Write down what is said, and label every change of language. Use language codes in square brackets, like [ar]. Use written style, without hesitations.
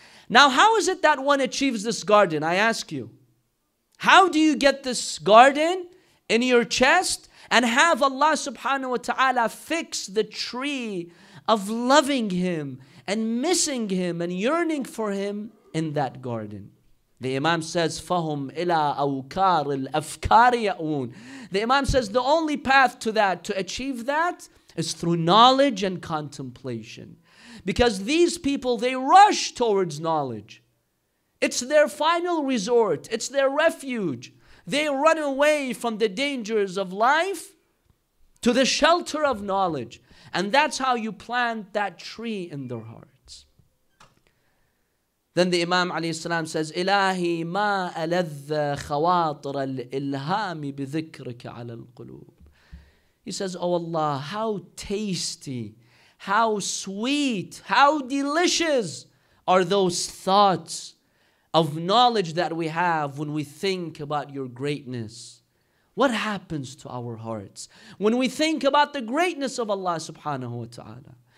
[en] Now, how is it that one achieves this garden? I ask you. How do you get this garden in your chest and have Allah subhanahu wa ta'ala fix the tree of loving Him and missing Him and yearning for Him in that garden? [ar] The Imam says, فَهُمْ إِلَىٰ أَوْكَارِ الْأَفْكَارِ يَأُونَ. [en] The Imam says, the only path to that, to achieve that, is through knowledge and contemplation. Because these people, they rush towards knowledge. It's their final resort. It's their refuge. They run away from the dangers of life to the shelter of knowledge. And that's how you plant that tree in their heart. [ar] Then the Imam alayhi salam says, إِلَهِ مَا أَلَذَّ خَوَاطِرَ الْإِلْهَامِ بِذِكْرِكَ عَلَى الْقُلُوبِ. [en] He says, oh Allah, how tasty, how sweet, how delicious are those thoughts of knowledge that we have when we think about your greatness. What happens to our hearts when we think about the greatness of Allah subhanahu wa ta'ala?